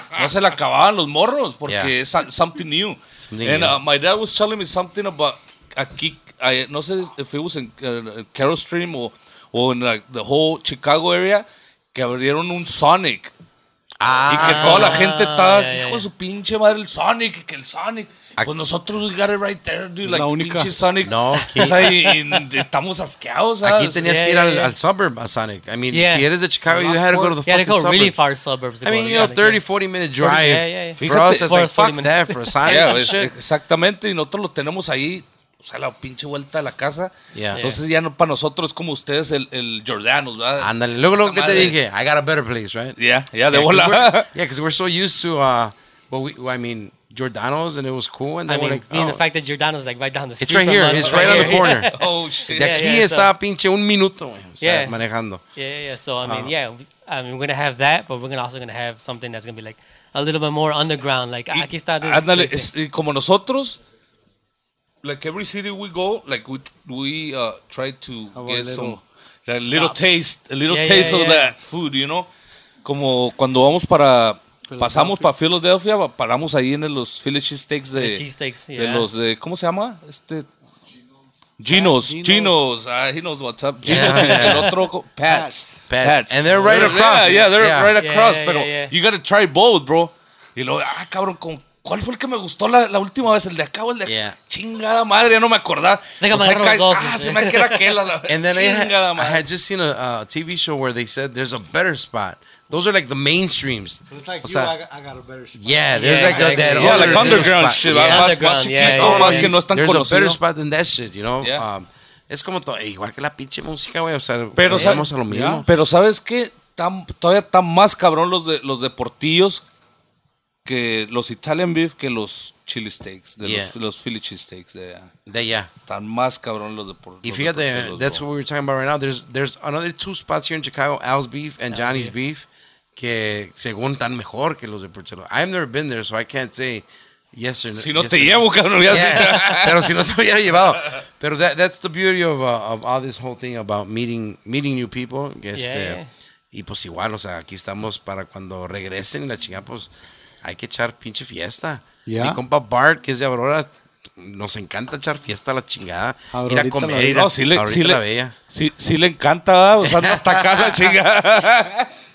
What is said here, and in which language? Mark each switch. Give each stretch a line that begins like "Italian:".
Spanish: No se le acababan los morros porque es
English: something new. My dad was telling me something about
Spanish: aquí, no sé
English: if it was in Carroll Stream o in like the whole Chicago area,
Spanish: que abrieron un
English: Sonic. Ah.
Spanish: Y que toda la gente estaba, hijo de su pinche madre, el Sonic. Pues nosotros
English: we got it right there, dude. Like,
Spanish: la única. Pinche Sonic. No, aquí. O sea, estamos asqueados, ¿sabes? Aquí tenías que ir al suburb, a Sonic.
English: I mean,
Spanish: si eres de Chicago,
English: you had to go to the fucking suburbs. You had to go really far suburbs. I mean, you know, 30, 40 minute drive. For us, it's like, fuck that for a Sonic.
Spanish: Yeah, exactamente. Y nosotros lo tenemos ahí, o sea, la pinche vuelta de la casa.
English: Yeah.
Spanish: Entonces ya no para nosotros como ustedes el Giordano's, ¿verdad? Ándale. Luego lo que te dije,
English: I got a better place, right?
Spanish: Yeah, de bola.
English: Yeah, because we're so used to, Giordano's and it was cool. And then the fact that Giordano's like right down the street. It's right here. From us. It's right on the corner. Oh shit!
Spanish: De aquí estaba pinche un minuto. Manejando.
English: Yeah. So we're gonna have that, but we're also gonna have something that's gonna be like a little bit more underground.
Spanish: Like aquí está. Ándale, como nosotros.
English: Like every city we go, like we try to get a little taste of that food. You know,
Spanish: como cuando vamos para. Pasamos para Philadelphia, paramos ahí en los Philly cheesesteaks de los de ¿cómo se llama?
English: Ginos. He knows what's up. Ginos. Yeah.
Spanish: El otro Pats.
English: Pats. And they're right across. Yeah, they're right across. You gotta try both, bro.
Spanish: Y luego, cabrón, con ¿cuál fue el que me gustó la última vez? El de acá o el de chingada madre, ya no me acordaba. Déjame ver los dos. Se me queda aquel.
English: And then I had just seen a TV show where they said there's a better spot. Those are like the mainstreams. So it's like, I got a better spot. Yeah, there's like that other like underground shit. Yeah. Underground, there's a better spot than that shit, you know?
Spanish: Es como todo, igual que la pinche música, güey. O sea, pero vamos a lo mismo. Pero ¿sabes qué? Todavía están más cabrón los deportillos que los Italian beef que los chili steaks, los Philly cheese steaks. De allá. Están más cabrón los deportillos. Y fíjate,
English: that's what we were talking about right now. There's another two spots here in Chicago, Al's Beef and Johnny's Beef,
Spanish: que según están mejor que los de Porcelo.
English: I've never been there, so I can't say yes or no.
Spanish: Si no te llevo, cabrón. Pero si no te hubiera llevado. Pero
English: that's the beauty of all this whole thing about meeting new people.
Spanish: Y pues igual, o sea, aquí estamos para cuando regresen y la chingada, pues hay que echar pinche fiesta. Yeah. Mi compa Bart, que es de Aurora, nos encanta echar fiesta a la chingada. Ir a comer, ir a la bella. Sí, le encanta, o sea, hasta acá la chingada.